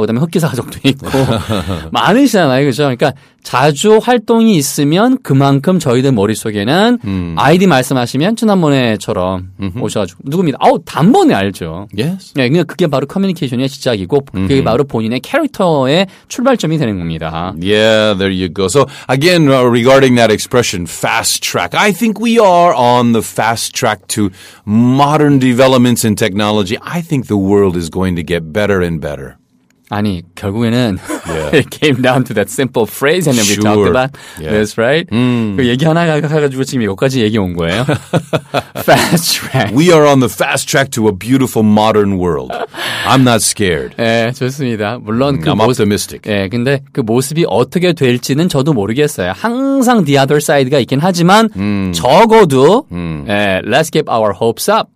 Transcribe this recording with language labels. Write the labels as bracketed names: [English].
[Korean] 그다음에 흑기사 가족도 있고 많으시잖아요. 그렇죠? 그러니까 자주 활동이 있으면 그만큼 저희들 머릿속에는 아이디 말씀하시면 지난번에처럼 오셔가지고 누굽니다. 아우 단번에 알죠. [English] Yes. [Korean] 예, 그러니까 그게 바로 커뮤니케이션의 시작이고 그게 바로 본인의 캐릭터의 출발점이 되는 겁니다. [English] Yeah, there you go. So again, regarding that expression, fast track, I think we are on the fast track to modern developments in technology. I think the world is going to get better and better. [Korean] 아니, 결국에는 yeah. [English] it came down to that simple phrase and then sure. we talked about yeah. this, right? Mm. [Korean] 그 얘기 하나 가지고 지금 여기까지 얘기 온 거예요. [English] fast track. We are on the fast track to a beautiful modern world. I'm not scared. [Korean] 예, 좋습니다. 물론 [English] I'm optimistic. [Korean] 예, 근데 그 모습이 어떻게 될지는 저도 모르겠어요. 항상 [English] the other side [Korean] 가 있긴 하지만 적어도 예, [English] let's keep our hopes up.